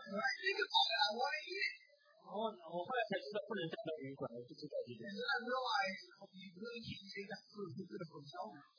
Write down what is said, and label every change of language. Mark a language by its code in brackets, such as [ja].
[en] I think about it, I want to eat it. [zh] 然后我后来才知道不能带到旅馆，我就知道这个。 [en] And then I realized, you really can't take that food to the hotel.